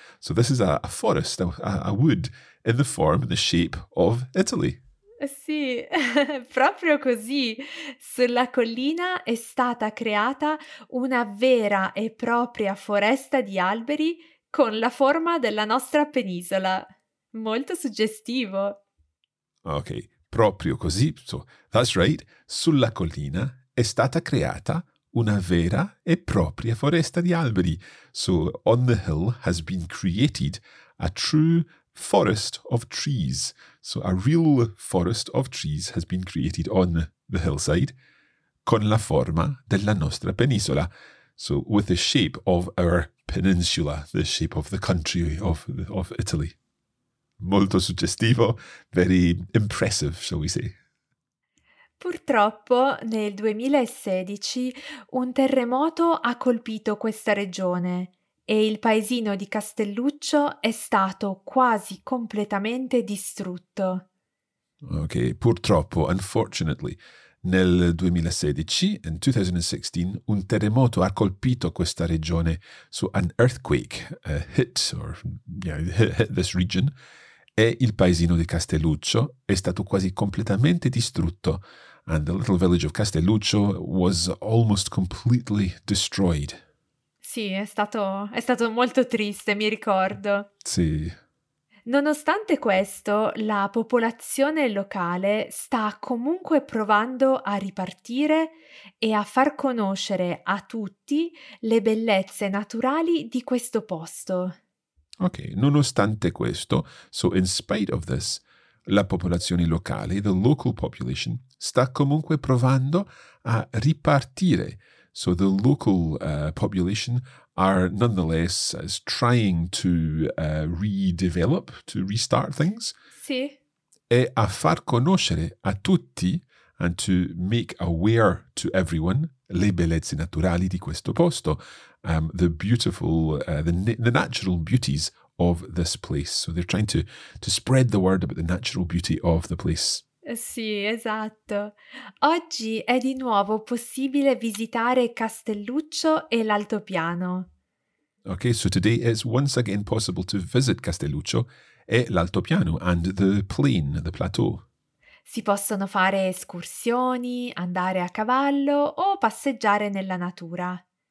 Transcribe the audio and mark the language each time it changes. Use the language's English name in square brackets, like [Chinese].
[English] So, this is a forest, a wood, in the form, the shape of Italy. [Italian] Sì, proprio così. Sulla collina è stata creata una vera e propria foresta di alberi con la forma della nostra penisola. Molto suggestivo. Ok, proprio così. [English] So, that's right. [Italian] Sulla collina è stata creata una vera e propria foresta di alberi. [English] So, on the hill has been created a true forest of trees. So a real forest of trees has been created on the hillside [Italian] con la forma della nostra penisola. [English] So with the shape of our peninsula, the shape of the country of Italy. [Italian] Molto suggestivo, [English] very impressive, shall we say. [Italian] Purtroppo nel 2016 un terremoto ha colpito questa regione. E il paesino di Castelluccio è stato quasi completamente distrutto. Ok, purtroppo, [English] unfortunately, [Italian] nel 2016, [English] in 2016, [Italian] un terremoto ha colpito questa regione. [English] So, an earthquake hit this region. [Italian] E il paesino di Castelluccio è stato quasi completamente distrutto. [English] And the little village of Castelluccio was almost completely destroyed. [Italian] Sì, è stato molto triste, mi ricordo. Sì. Nonostante questo, la popolazione locale sta comunque provando a ripartire e a far conoscere a tutti le bellezze naturali di questo posto. Ok, nonostante questo, [English] so in spite of this, [Italian] la popolazione locale, [English] the local population, [Italian] sta comunque provando a ripartire. [English] So the local population are nonetheless is trying to redevelop, to restart things. [Italian] Sì. E a far conoscere a tutti, [English] and to make aware to everyone, [Italian] le bellezze naturali di questo posto, [English] the beautiful, the natural beauties of this place. So they're trying to spread the word about the natural beauty of the place. [Italian] Sì, esatto. Oggi è di nuovo possibile visitare Castelluccio e l'Altopiano. [English] Okay, so today it's once again possible to visit Castelluccio [Italian] e l'Altopiano [English] and the plain, the plateau. [Italian] Si possono fare escursioni, andare a cavallo o passeggiare nella natura.